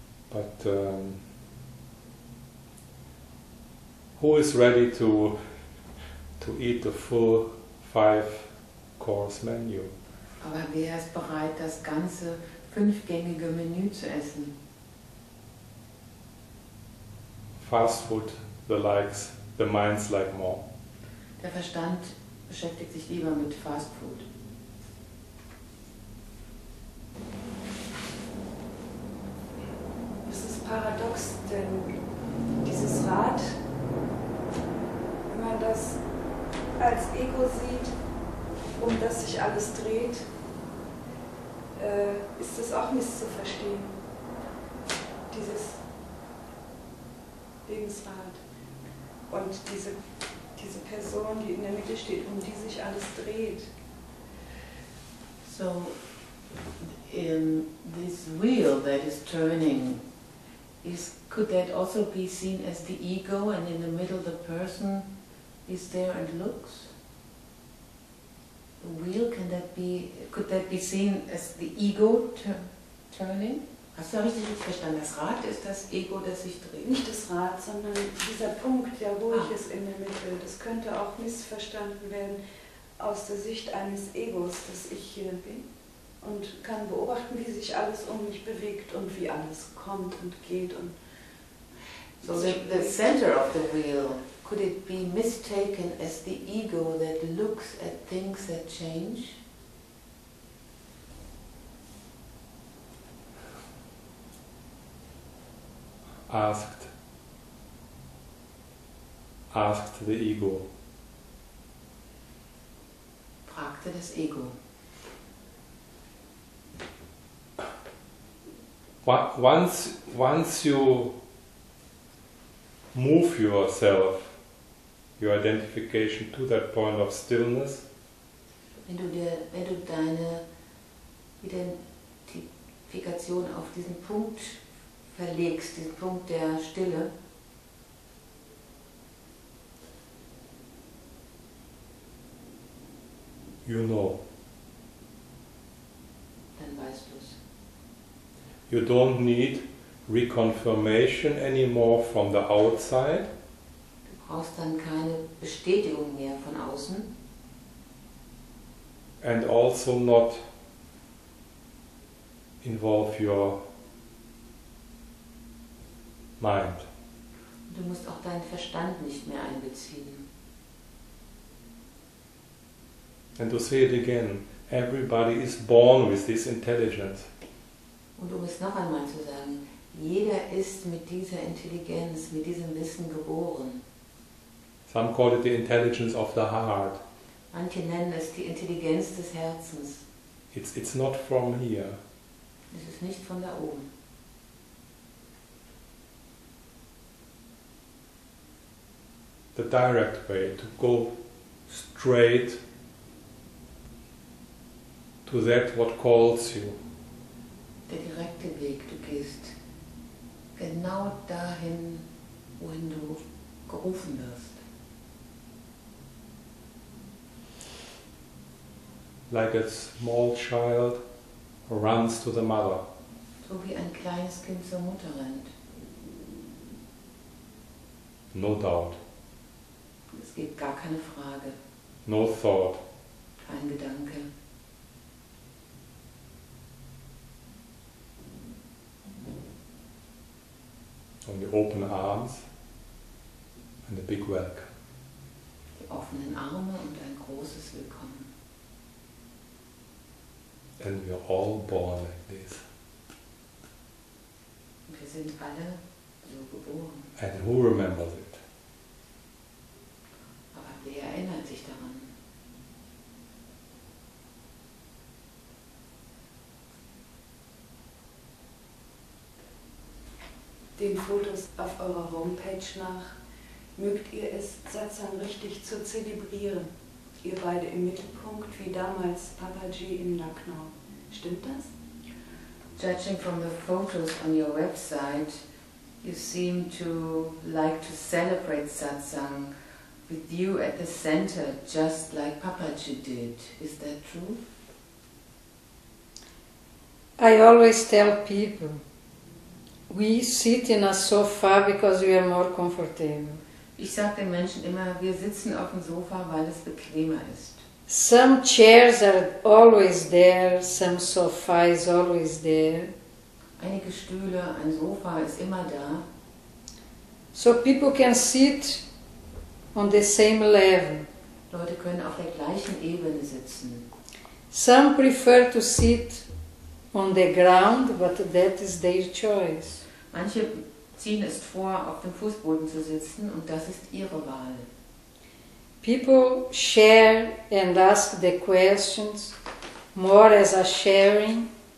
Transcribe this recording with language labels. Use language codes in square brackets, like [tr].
[en] But who is ready to eat the full 5-course menu? [de] Aber wer ist bereit, das ganze 5-gängige Menü zu essen? [en] Fast food, the likes, the minds like more. [de] Der Verstand beschäftigt sich lieber mit Fast Food. Es ist paradox, denn dieses Rad, wenn man das als Ego sieht, um das sich alles dreht, ist das auch misszuverstehen, dieses Lebensrad. Und diese Person, die in der Mitte steht, um die sich alles dreht. [en] So, in this wheel that is turning, could that also be seen as the ego, and in the middle the person is there and looks? The wheel, could that be seen as the ego turning? [de] Hast du richtig verstanden? Das Rad ist das Ego, das sich dreht. Nicht das Rad, sondern dieser Punkt, der ruhig ist in der Mitte. Das könnte auch missverstanden werden aus der Sicht eines Egos, dass ich hier bin und kann beobachten, wie sich alles um mich bewegt und wie alles kommt und geht. Und [en] so the center of the wheel, could it be mistaken as the ego that looks at things that change? Asked the ego. [de] Fragte das Ego. [en] Once you move yourself, your identification to that point of stillness. [de] Wenn du deine Identifikation auf diesen Punkt verlegst, den Punkt der Stille. [en] You know. [de] Dann weißt du es. [en] You don't need reconfirmation anymore from the outside. [de] Du brauchst dann keine Bestätigung mehr von außen. [en] And also not involve your mind. [de] Du musst auch deinen Verstand nicht mehr einbeziehen. [en] And to say it again, everybody is born with this intelligence. [de] Und um es noch einmal zu sagen, jeder ist mit dieser Intelligenz, mit diesem Wissen geboren. [en] Some call it the intelligence of the heart. [de] Manche nennen es die Intelligenz des Herzens. [en] It's not from here. [de] Es ist nicht von da oben. [en] The direct way to go straight to that what calls you. [de] Der direkte Weg, du gehst genau dahin, wohin du gerufen wirst. [en] Like a small child runs to the mother. [de] So wie ein kleines Kind zur Mutter rennt. [en] No doubt. [de] Es gibt gar keine Frage. [en] No thought. [de] Kein Gedanke. [en] Only open arms and a big welcome. [de] The offenen Arme und ein großes Willkommen. [en] And we are all born like this. [de] Wir sind alle so geboren. [en] And who remembers it? [de] Aber wer erinnert sich daran? Den Fotos auf eurer Homepage nach, mögt ihr es Satsang richtig zu zelebrieren? Ihr beide im Mittelpunkt, wie damals Papaji in Lucknow. Stimmt das? [en] Judging from the photos on your website, you seem to like to celebrate Satsang with you at the center, just like Papaji did. Is that true? I always tell people, we sit in a sofa because we are more comfortable. [de] Ich sage den Menschen immer, wir sitzen auf dem Sofa, weil es bequemer ist. [en] Some chairs are always there, some sofa is always there. [de] Einige Stühle, ein Sofa ist immer da. [en] So people can sit on the same level. [de] Leute können auf der gleichen Ebene sitzen. [en] Some prefer to sit on the ground, but that is their choice. [de] Manche ziehen es vor, auf dem Fußboden zu sitzen, und das ist ihre Wahl. [en] People share and ask the questions more as a sharing.